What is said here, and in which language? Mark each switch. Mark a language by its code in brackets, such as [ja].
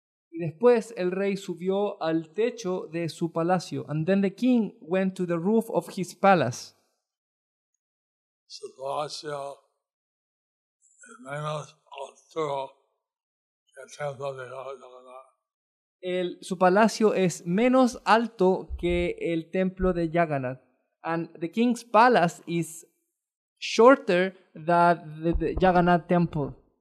[es] Y después el rey subió al techo de su palacio. [en] And then the king went to the roof of his palace. [es] Su palacio, el menos altura que el templo de Jagannath. Su palacio es menos alto que el templo de Jagannath. [en] And the king's palace is shorter than the Jagannath temple.